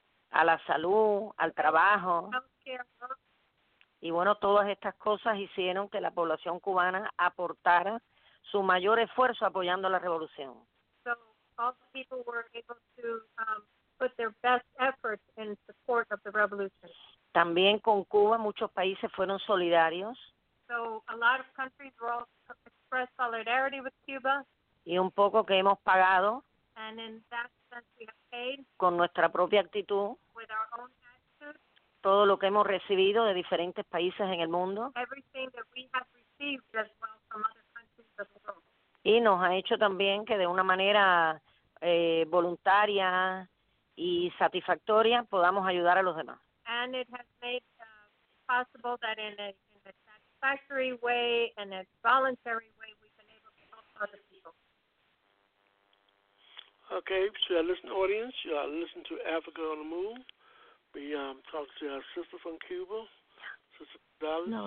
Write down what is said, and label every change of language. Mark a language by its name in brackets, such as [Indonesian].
[Spanish] A la salud, al trabajo. Y bueno, todas estas cosas hicieron que la población cubana aportara su mayor esfuerzo apoyando la revolución. [English] So all the people were able to put their best efforts in support of the revolution. [Spanish] También con Cuba muchos países fueron solidarios. [English] So a lot of countries were all expressed solidarity with Cuba. [Spanish] Y un poco que hemos pagado. [English] And in that sense we have paid. [Spanish] Con nuestra propia actitud. [English] With our own attitude, [Spanish] todo lo que hemos recibido de diferentes países en el mundo. [English] Everything that we have received as well from other countries of the world. [Spanish] Y nos ha hecho también que de una manera voluntaria y satisfactoria podamos ayudar a los demás. [English] And it has made possible that in a satisfactory way and a voluntary way we've been able to help others. Okay, so our listening audience, you are listening to Africa on the Move. We talking to our sister from Cuba, Sister Dallas.